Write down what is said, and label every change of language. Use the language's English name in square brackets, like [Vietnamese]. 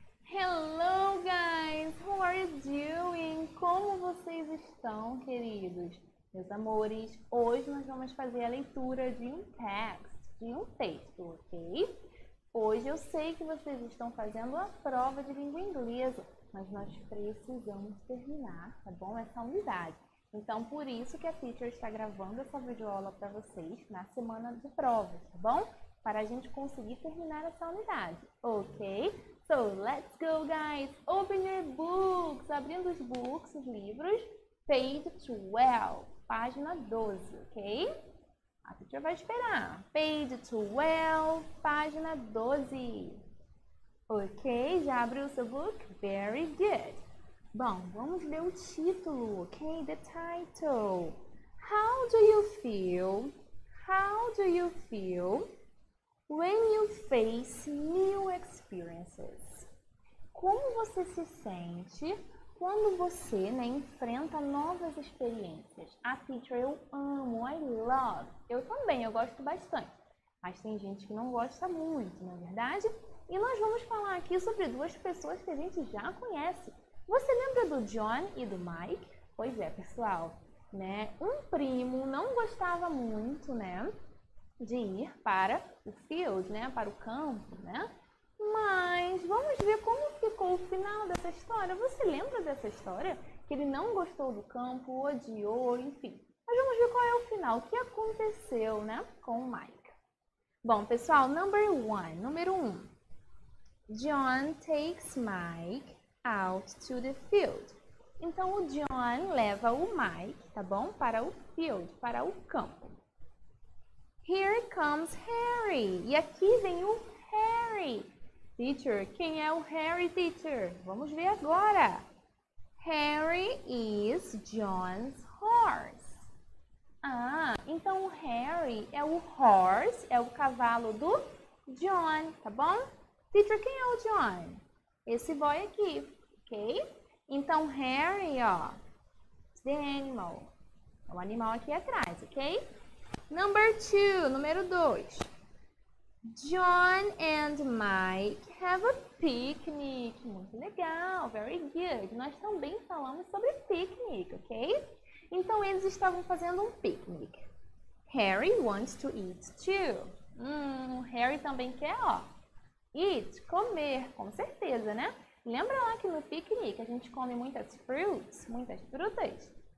[English] Hello guys, how are you doing? [Portuguese] Como vocês estão, queridos? Meus amores, hoje nós vamos fazer a leitura de um text, de um texto, ok? Hoje eu sei que vocês estão fazendo a prova de língua inglesa, mas nós precisamos terminar, tá bom? Essa unidade. Então, por isso que a teacher está gravando essa videoaula para vocês na semana de prova, tá bom? Para a gente conseguir terminar essa unidade, ok? [English] So, let's go, guys! Open your books! [Portuguese] Abrindo os books, os livros, page 12, página 12, ok? A teacher vai esperar. Page 12, página 12. Ok? Já abriu o seu book? [English] Very good. [Portuguese] Bom, vamos ler o título, ok? The title. [English] How do you feel? How do you feel when you face new experiences? [Portuguese] Como você se sente quando você, né, enfrenta novas experiências? A teacher, eu amo, [English] I love. [Portuguese] Eu também, eu gosto bastante. Mas tem gente que não gosta muito, não é verdade? E nós vamos falar aqui sobre duas pessoas que a gente já conhece. Você lembra do John e do Mike? Pois é, pessoal. Né? Um primo não gostava muito, né, de ir para o field, né, para o campo, né? Mas vamos ver como ficou o final dessa história. Você lembra dessa história? Que ele não gostou do campo, odiou, enfim. Mas vamos ver qual é o final, o que aconteceu, né, com o Mike. Bom, pessoal, number one, número um. [English] John takes Mike out to the field. [Portuguese] Então, o John leva o Mike, tá bom, para o field, para o campo. [English] Here comes Harry. [Portuguese] E aqui vem o Harry. Teacher, quem é o Harry, teacher? Vamos ver agora. [English] Harry is John's horse. [Portuguese] Ah, então o Harry é o horse, é o cavalo do John, tá bom? Teacher, quem é o John? Esse boy aqui, ok? Então, Harry, ó, [English] the animal. [Portuguese] É o animal aqui atrás, ok? Number two, número dois. [English] John and Mike have a picnic. [Portuguese] Muito legal, [English] very good. [Portuguese] Nós também falamos sobre picnic, ok? Então, eles estavam fazendo um picnic. [English] Harry wants to eat too. [Portuguese] Harry também quer, ó, eat, comer, com certeza, né? Lembra lá que no picnic a gente come muitas fruits, muitas frutas?